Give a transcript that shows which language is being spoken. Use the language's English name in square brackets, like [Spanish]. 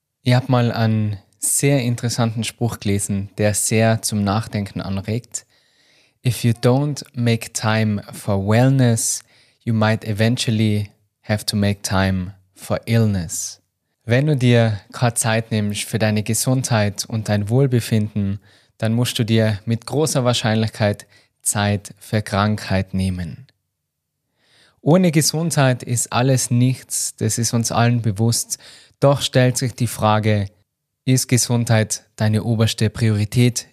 [German] Ich habe mal einen sehr interessanten Spruch gelesen, der sehr zum Nachdenken anregt. [English] If you don't make time for wellness, you might eventually have to make time for illness. [German] Wenn du dir keine Zeit nimmst für deine Gesundheit und dein Wohlbefinden, dann musst du dir mit großer Wahrscheinlichkeit Zeit für Krankheit nehmen. Ohne Gesundheit ist alles nichts, das ist uns allen bewusst. Doch stellt sich die Frage, ist Gesundheit deine oberste Priorität?